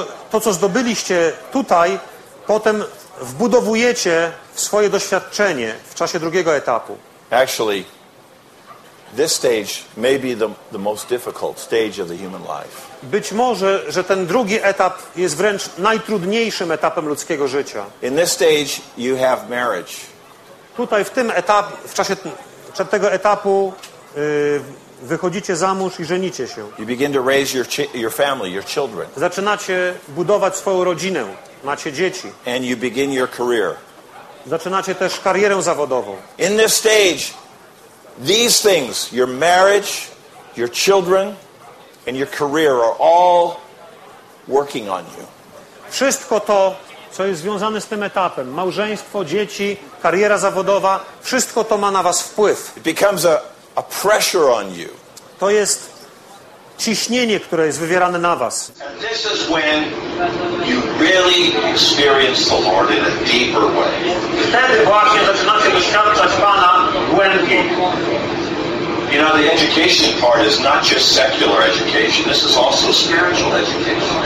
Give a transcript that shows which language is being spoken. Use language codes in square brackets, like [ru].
[pl] To, co zdobyliście tutaj, potem wbudowujecie w swoje doświadczenie w czasie drugiego etapu. [en] Actually, this stage may be the most difficult stage of the human life. [pl] Być może, że ten drugi etap jest wręcz najtrudniejszym etapem ludzkiego życia. [en] In this stage, you have marriage. [pl] Tutaj w tym etapie, w czasie tego etapu, wychodzicie za mąż i żenicie się. [en] You begin to raise your family, your children. [pl] Zaczynacie budować swoją rodzinę, macie dzieci. [en] And you begin your career. [pl] Zaczynacie też karierę zawodową. [en] In this stage, these things, your marriage, your children, and your career are all working on you. [pl] W wszystko to, co jest związane z tym etapem, małżeństwo, dzieci, kariera zawodowa, wszystko to ma na was wpływ. [en] It becomes a pressure on you. [pl] To jest ciśnienie, które jest wywierane na was. [en] This is when you really experience the Lord in a deeper way. [pl] Wtedy właśnie zaczynacie doświadczać Pana głębiej. [en] You know, the education part is not just secular education. This is also spiritual education.